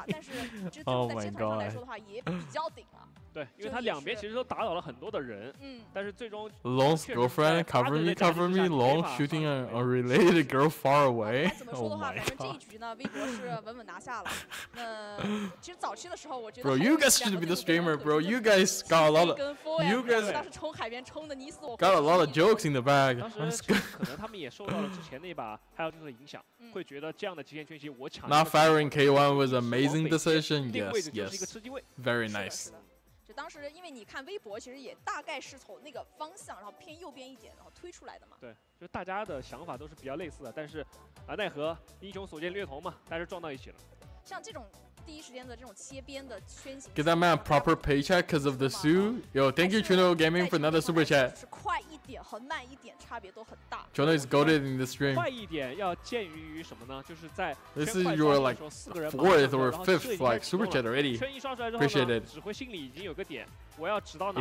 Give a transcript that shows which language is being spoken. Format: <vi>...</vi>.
<zh>但是，就在街头上来说的话，也比较顶啊。对，因为他两边其实都打倒了很多的人。嗯。但是最终</zh> <en>，Long's girlfriend cover me. Long shooting an unrelated girl far away.</en> <zh>怎么说的话，反正这一局呢，微博是稳稳拿下了。那其实早期的时候，我觉得。</zh> <en>Bro, you guys should be the streamer, bro. You guys got a lot of, you guys got a lot of jokes in the bag.</en> <zh>当时可能他们也受到了之前那把还有这种影响，会觉得这样的极限圈棋我抢。</zh> <en>Not firing K1 was amazing decision. Yes. Very nice.</en> <zh>就当时因为你看微博，其实也大概是从那个方向，然后偏右边一点，然后推出来的嘛。对，就大家的想法都是比较类似的，但是啊，奈何英雄所见略同嘛，但是撞到一起了。像这种。第一时间的这种切边的圈形。</zh> <en>Get that man a proper paycheck because of the Sue. Yo, thank you Chuno Gaming for another super chat.</en> <zh>是快一点和慢一点差别都很大。</zh> <en>Jonah is goaded in this stream.</en> <zh>快一点要鉴于于什么呢？就是在</zh> <en>This is your like fourth or fifth like super chat already. Appreciate it.</en> <zh>指挥心里已经有个点，我要知道哪。</zh>